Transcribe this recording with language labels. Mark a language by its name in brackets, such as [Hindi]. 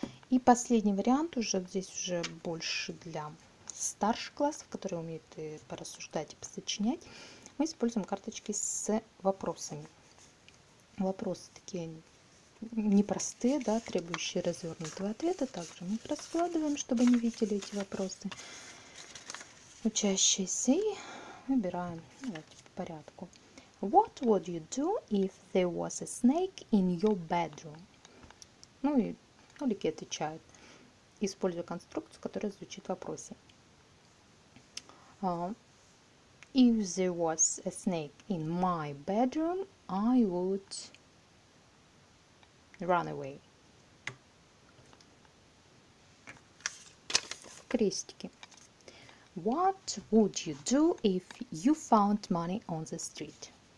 [Russian] И последний вариант уже здесь уже больше для старших классов, которые умеют и порассуждать, и посочинять. Мы используем карточки с вопросами. Вопросы такие непростые, да, требующие развернутого ответа. Также мы их раскладываем, чтобы не видели эти вопросы учащиеся. И выбираем. Давайте по порядку. [English] What would you do if there was a snake in your bedroom? [Russian] Ну и нолики отвечают, используя конструкцию, которая звучит в вопросе. [English] If there was a snake in my bedroom, I would run away. [Russian] Крестики. [English] What would you do if you found money on the street?